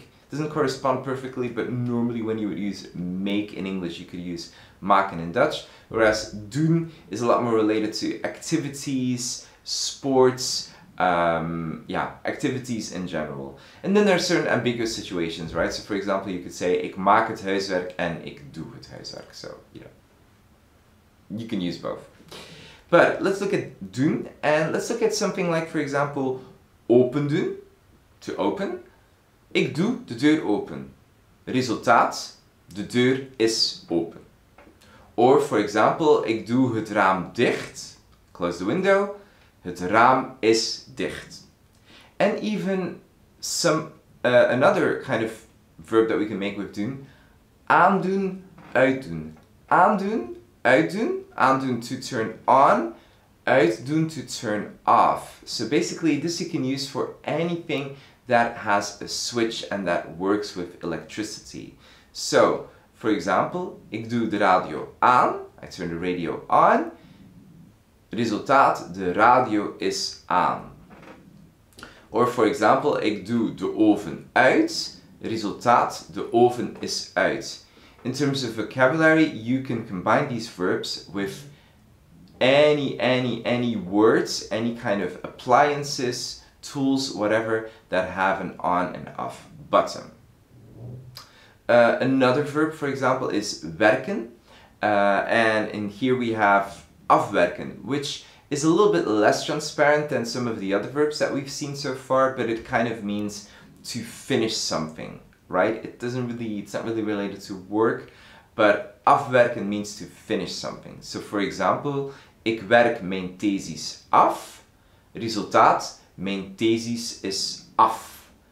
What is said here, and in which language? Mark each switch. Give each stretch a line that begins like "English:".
English: It doesn't correspond perfectly, but normally when you would use make in English, you could use maken in Dutch. Whereas doen is a lot more related to activities, sports, activities in general. And then there are certain ambiguous situations, right? So for example, you could say,
Dutch: ik maak het huiswerk en ik doe het huiswerk.
English: So, you know, you can use both. But let's look at doen, and let's look at something like, for example, open doen, to open.
Dutch: Ik doe de deur open. Resultaat, de deur is open.
English: Or, for example,
Dutch: ik doe het raam dicht.
English: Close the window.
Dutch: Het raam is dicht.
English: And even another kind of verb that we can make with doen.
Dutch: Aandoen, uitdoen. Aandoen, uitdoen.
English: Aandoen to turn on. Uitdoen to turn off. So basically, this you can use for anything that has a switch and that works with electricity. So, for example,
Dutch: ik doe de radio aan.
English: I turn the radio on.
Dutch: Resultaat, de radio is aan.
English: Or, for example,
Dutch: ik doe de oven uit. Resultaat, de oven is uit.
English: In terms of vocabulary, you can combine these verbs with any words, any kind of appliances, tools, whatever, that have an on and off button. Another verb, for example, is werken. And in here we have afwerken, which is a little bit less transparent than some of the other verbs that we've seen so far, but it kind of means to finish something, right? It's not really related to work, but afwerken means to finish something. So for example,
Dutch: ik werk mijn thesis af. Resultaat, mijn thesis is af.